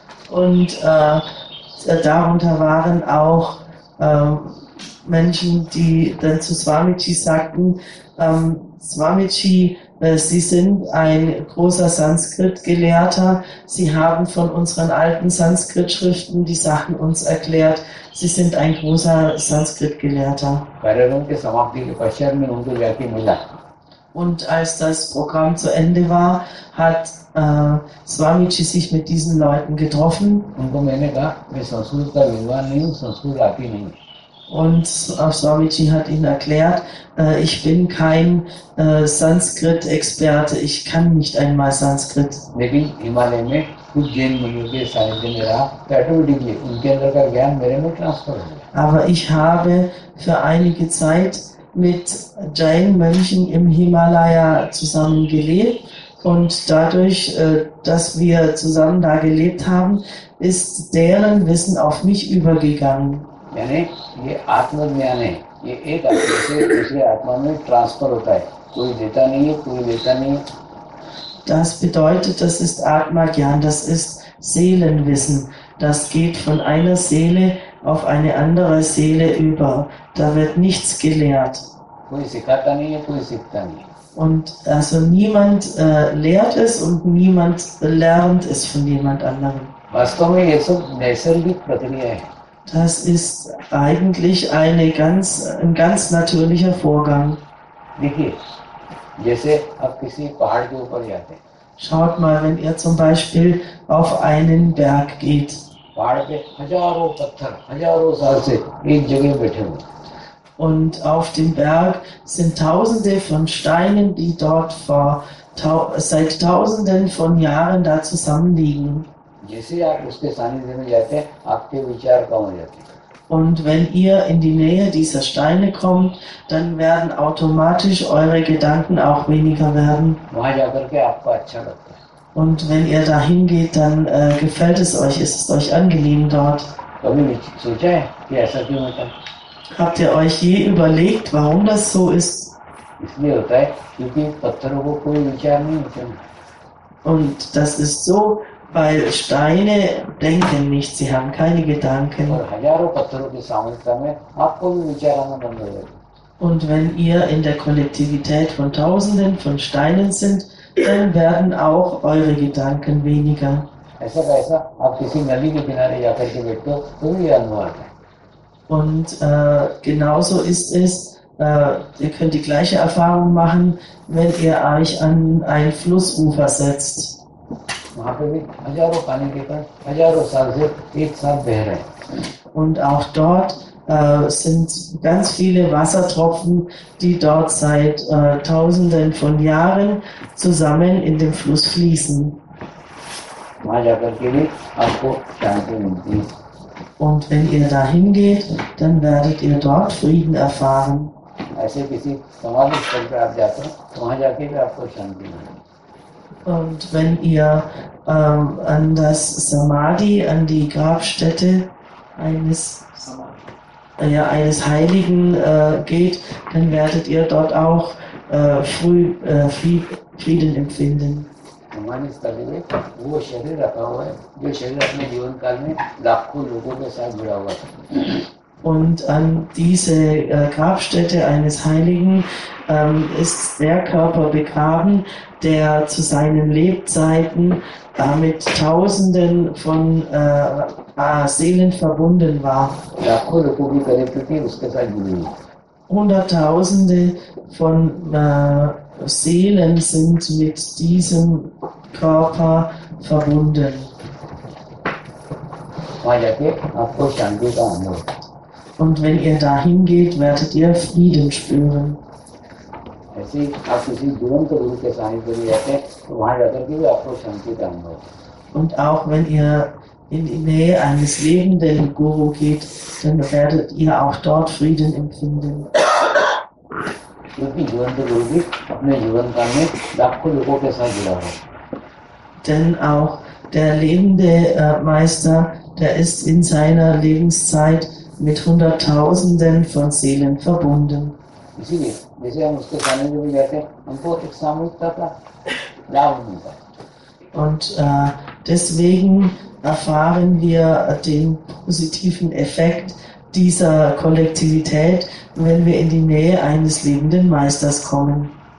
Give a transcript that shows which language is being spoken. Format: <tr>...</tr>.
<de>Und darunter waren auch Menschen, die dann zu Swamiji sagten, Swamiji, Sie sind ein großer Sanskrit-Gelehrter. Sie haben von unseren alten Sanskrit-Schriften die Sachen uns erklärt. Sie sind ein großer Sanskrit-Gelehrter.</de> <hi>कार्यक्रम के समाप्ति के पश्चात में उनको जाके मिला</hi> <de>Und als das Programm zu Ende war, hat Swamiji sich mit diesen Leuten getroffen.</de> <hi>उनको मैंने कहा मैं संस्कृत का विद्वान नहीं हूँ संस्कृत आती नहीं है</hi> <de>Und Swamiji hat ihnen erklärt, ich bin kein Sanskrit-Experte, ich kann nicht einmal Sanskrit.</de> <hi>लेकिन हिमालय में कुछ जैन मुनियों के सानिध्य में रहा पैटर्डिगली उनके अंदर का ज्ञान मेरे में ट्रांसफर हो गया</hi> <de>Aber ich habe für einige Zeit mit Jain-Mönchen im Himalaya zusammengelebt. Und dadurch, dass wir zusammen da gelebt haben, ist deren Wissen auf mich übergegangen.</de> <hi>यानी ये आत्मज्ञान है ये एक आत्मा से दूसरे आत्मा में ट्रांसफर होता है कोई देता नहीं है कोई लेता नहीं है</hi> <de>Das bedeutet, das ist Atma-Gyan, das ist Seelenwissen. Das geht von einer Seele auf eine andere Seele über. Da wird nichts gelehrt.</de> <hi>कोई सिखाता नहीं है कोई सीखता नहीं है</hi> <de>Und also niemand lehrt es und niemand lernt es von jemand anderem.</de> <hi>वास्तव में ये सब नैसर्गिक प्रक्रिया है</hi> <de>Das ist eigentlich ein ganz natürlicher Vorgang.</de> <hi>देखिए जैसे आप किसी पहाड़ के ऊपर जाते हैं</hi> <de>Schaut mal, wenn ihr zum Beispiel auf einen Berg geht</de> <hi>पहाड़ पे हजारों पत्थर हजारों साल से एक जगह बैठे हुए</hi> <de>und auf dem Berg sind Tausende von Steinen, die dort vor ta seit Tausenden von Jahren da zusammenliegen.</de> <hi>जैसे आप उसके सानिध्य में जाते हैं आपके विचार कम हो जाते हैं</hi> <de>Und wenn ihr in die Nähe dieser Steine kommt, dann werden automatisch eure Gedanken auch weniger werden.</de> <hi>वहां जाकर के आपको अच्छा लगता है</hi> <de>Und wenn ihr dahin geht, dann gefällt es euch, ist es euch angenehm dort.</de> <hi>कभी सोचा है कि ऐसा क्यों होता है</hi> <de>Habt ihr euch je überlegt, warum das so ist?</de> <hi>इसलिए होता है क्योंकि पत्थरों को कोई विचार नहीं होता है</hi> <de>Und das ist so, weil Steine denken nicht, sie haben keine</de> <hi>और</hi> <de>Gedanken.</de> <hi>हजारों पत्थरों की सामूहिकता में आपको भी विचार आना बंद हो जाएगा</hi> <de>Und wenn ihr in der Kollektivität von Tausenden von Steinen sind, dann werden auch eure Gedanken weniger.</de> <hi>ऐसा कैसा आप किसी नदी के किनारे जाकर के बैठ दो तो भी अनुभव आता है</hi> <de>Und genauso ist es, ihr könnt die gleiche Erfahrung machen, wenn ihr euch an ein Flussufer setzt.</de> <hi>वहां पे भी हजारों पानी के कण हजारों साल से एक साथ बह रहे हैं</hi> <de>Und auch dort sind ganz viele Wassertropfen, die dort seit Tausenden von Jahren zusammen in dem Fluss fließen.</de> <hi>वहां जाकर के भी आपको शांति मिलती है अगर</hi> <de>Und wenn ihr dahin geht, dann werdet ihr dort Frieden erfahren.</de> <hi>ऐसे किसी समाधि स्थल पे आप जाते हो तो वहां जाके भी आपको शांति मिलेगी</hi> <de>Und wenn ihr an das Samadhi, an die Grabstätte eines Heiligen geht, dann werdet ihr dort auch Frieden empfinden.</de> <hi>सम्मानित स्थल में वो शरीर रखा हुआ है जो शरीर अपने जीवन काल में लाखों लोगों के साथ जुड़ा हुआ था</hi> <de>Und an diese Grabstätte eines Heiligen ist der Körper begraben, der zu seinen Lebzeiten mit Tausenden von Seelen verbunden war.</de> <hi>लाखों लोगों की कनेक्टिविटी उसके साथ जुड़ी हुई है</hi> <de>Hunderttausende von Seelen sind mit diesem Körper verbunden.</de> <hi>वहां जाके आपको शांति का अनुभव</hi> <de>Und wenn ihr dahin geht, werdet ihr Frieden spüren.</de> <hi>ऐसे आप किसी जीवन के गुरु के सानिध्य में जाते हैं तो वहां जाकर के भी आपको शांति का अनुभव होता है</hi> <de>Und auch wenn ihr in die Nähe eines lebenden Guru geht, dann werdet ihr auch dort Frieden empfinden.</de> <hi>क्योंकि जीवन के गुरु भी अपने जीवन काल में लाखों लोगों के साथ जुड़ा हुआ है</hi> <de>Denn auch der lebende Meister, der ist in seiner Lebenszeit mit Hunderttausenden von Seelen verbunden.</de> <hi>इसीलिए जैसे हम उसके सामने जो भी जाते हैं हमको एक सामूहिकता का लाभ मिलता है</hi> <de>Und deswegen erfahren wir den positiven Effekt dieser Kollektivität, wenn wir in die Nähe eines lebenden Meisters kommen.</de>